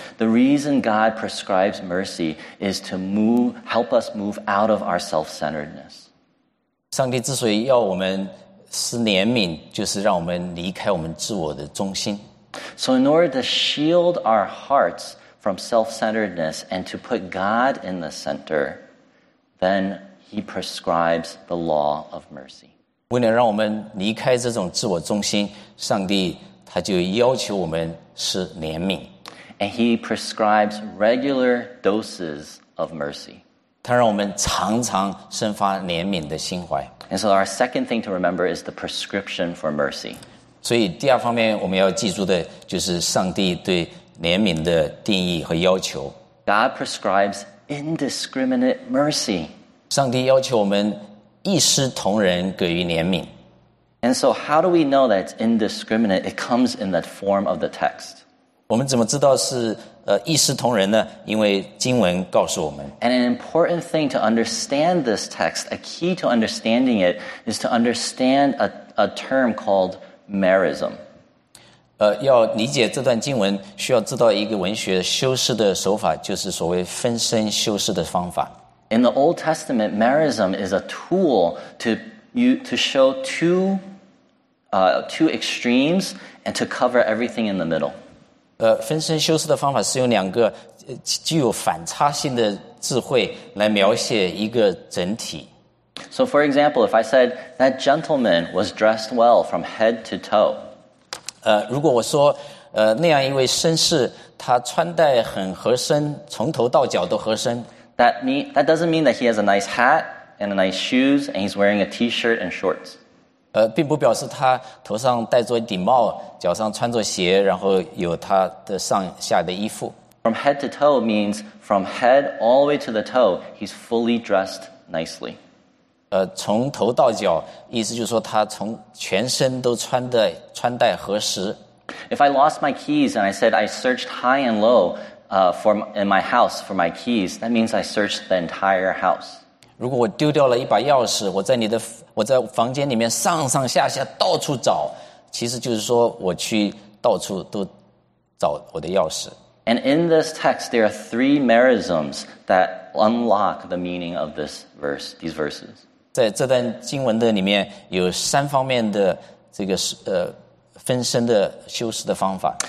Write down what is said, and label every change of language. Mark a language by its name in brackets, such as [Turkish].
[English] The reason God prescribes mercy is to move, help us move out of our self-centeredness. [Chinese] 上帝之所以要我们施怜悯，就是让我们离开我们自我的中心。 [English] So in order to shield our hearts from self-centeredness and to put God in the center, then he prescribes the law of mercy. [Chinese] 为了让我们离开这种自我中心，上帝他就要求我们施怜悯。 [English] And he prescribes regular doses of mercy. [Chinese] 他让我们常常生发怜悯的心怀。 [English] And so our second thing to remember is the prescription for mercy. [Chinese] 所以第二方面我们要记住的就是上帝对怜悯的定义和要求。 [English] God prescribes indiscriminate mercy. [Chinese] 上帝要求我们一视同仁给予怜悯。 [English] And so how do we know that it's indiscriminate? It comes in the form of the text. [Chinese] 我们怎么知道是一视同仁呢？因为经文告诉我们。 [English] And an important thing to understand this text, a key to understanding it, is to understand a term called merism. [Chinese] 要理解这段经文，需要知道一个文学修饰的手法，就是所谓分身修饰的方法。 [English] In the Old Testament, merism is a tool to show two extremes and to cover everything in the middle. [Chinese] 分身修饰的方法是用两个具有反差性的智慧来描写一个整体。 [English] So for example, if I said that gentleman was dressed well from head to toe. [Chinese] 如果我说那样一位绅士他穿戴很合身，从头到脚都合身。 [English] That doesn't mean that he has a nice hat and a nice shoes and he's wearing a t-shirt and shorts. [Chinese] 并不表示他头上戴着一顶帽，脚上穿着鞋，然后有他的上下的衣服。 [English] From head to toe means from head all the way to the toe, he's fully dressed nicely. [Chinese] 从头到脚，意思就是说他从全身都穿戴合时。 [English] If I lost my keys and I said I searched high and low,in my house for my keys, that means I searched the entire house. [Chinese] 如果我丢掉了一把钥匙，我在房间里面上上下下到处找，其实就是说我去到处都找我的钥匙。 [English] And in this text, there are three merisms that unlock the meaning of this verse, these verses. [Chinese] 在这段经文的里面有三方面的这个分身的修饰的方法。